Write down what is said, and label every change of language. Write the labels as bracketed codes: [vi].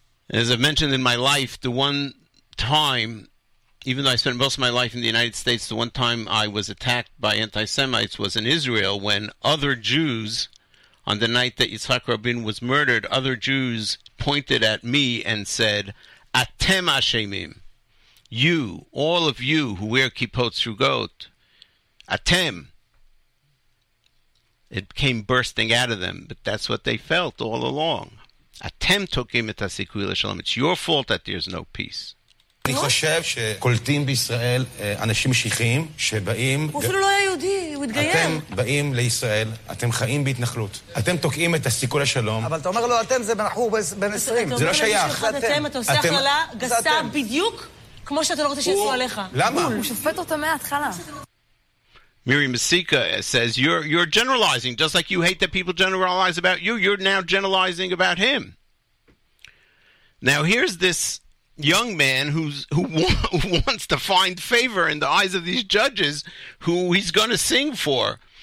[en] As I mentioned in my life, the one time, even though I spent most of my life in the United States, the one time I was attacked by anti-Semites was in Israel when other Jews, on the night that Yitzhak Rabin was murdered, other Jews pointed at me and said, Atem Ashemim, you, all of you who wear kippot shugot, Atem. It came bursting out of them, but that's what they felt all along. [he] אתם תוקעים את הסיכוי לשלום. [en] It's your fault that there's no peace. [he] אני חושב שקולטים בישראל אנשים משיחיים שבאים... הוא אפילו לא היה יהודי, הוא התגייר. אתם באים לישראל, אתם חיים בהתנחלות. אתם תוקעים את הסיכוי לשלום. אבל אתה אומר לו, אתם זה בנחור בן 20. זה לא שייך. אתה עושה הכללה גסה בדיוק כמו שאתה לא רוצה שיצאו עליך. למה? הוא שופט אותה מההתחלה. [en] Miriam Masika says, you're generalizing. Just like you hate that people generalize about you, you're now generalizing about him. Now, here's this young man who wants to find favor in the eyes of these judges who he's going to sing for.